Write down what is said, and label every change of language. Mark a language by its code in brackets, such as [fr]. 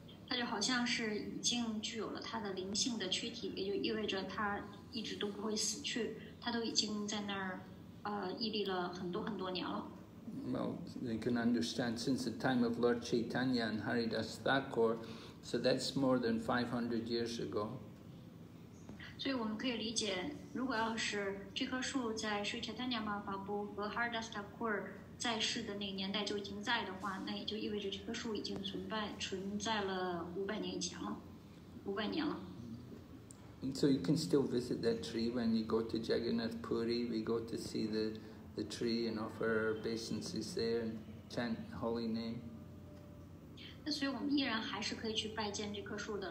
[zh] 它就好像是已经具有了它的灵性的躯体，也就意味着它一直都不会死去，它都已经在那儿屹立了很多很多年了。 [en] Well, you can understand, since the time of Lord Chaitanya and Haridas Thakur, so that's more than 500 years ago. [zh] 所以我们可以理解，如果要是这棵树在Sri Chaitanya Mahaprabhu和Haridas Thakur 在世的那个年代就已经在的话，那也就意味着这棵树已经存在了500年以前了，500年了。 [en] And so you can still visit that tree when you go to Jagannath Puri. We go to see the tree and offer our obeisances there and chant the holy name. [zh] 那所以我们依然还是可以去拜见这棵树的。